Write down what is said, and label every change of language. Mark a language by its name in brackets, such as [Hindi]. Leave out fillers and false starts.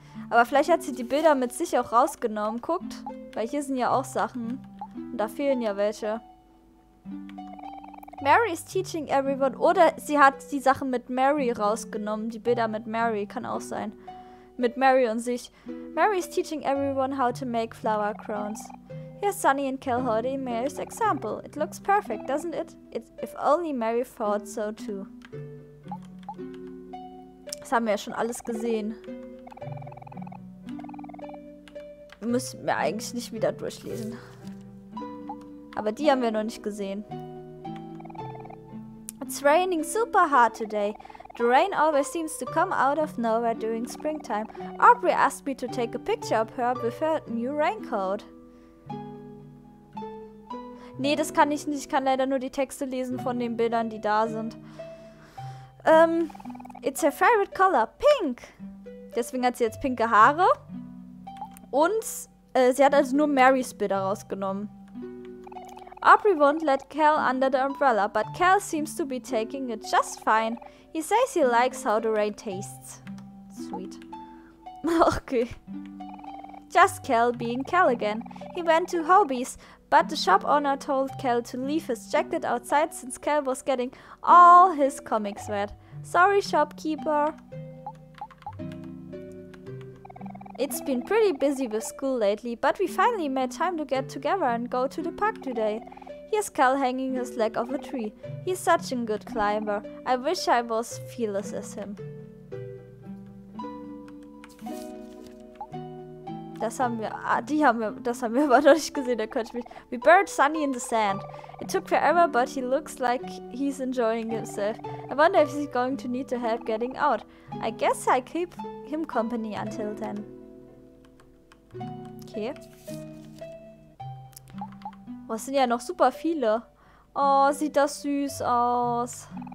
[German] Aber vielleicht hat sie die Bilder mit sich auch rausgenommen. Guckt, weil hier sind ja auch Sachen. Und da fehlen ja welche. [English] Mary is teaching everyone. [German] Oder sie hat die Sachen mit Mary rausgenommen. Die Bilder mit Mary, kann auch sein. Mit Mary und sich. [English] Mary is teaching everyone how to make flower crowns. Here's Sunny and Kelhody, Mary's example. It looks perfect, doesn't it? If only Mary thought so too. [German] Das haben wir ja schon alles gesehen. Müssen wir eigentlich nicht wieder durchlesen. Aber die haben wir noch nicht gesehen. [English] It's raining super hard today. The rain always seems to come out of nowhere during springtime. Aubrey asked me to take a picture of her with her new raincoat. [German] Nee, das kann ich nicht. Ich kann leider nur die Texte lesen von den Bildern, die da sind. [English] It's her favorite color, pink. [German] Deswegen hat sie jetzt pinke Haare. Und sie hat also nur Marys Bilder rausgenommen. [English] Aubrey won't let Cal under the umbrella, but Cal seems to be taking it just fine. He says he likes how the rain tastes. Sweet. Okay. Just Cal being Cal again. He went to Hobie's, but the shop owner told Cal to leave his jacket outside since Cal was getting all his comics wet. Sorry, shopkeeper. It's been pretty busy with school lately, but we finally made time to get together and go to the park today. Here's Cal hanging his leg off a tree. He's such a good climber. I wish I was fearless as him. [German] Das haben wir, das haben wir aber noch nicht gesehen, da könnte ich mich... [English] We buried Sunny in the sand. It took forever, but he looks like he's enjoying himself. I wonder if he's going to need to help getting out. I guess I keep him company until then. Okay. [German] Was sind ja noch super viele. Oh, sieht das süß aus.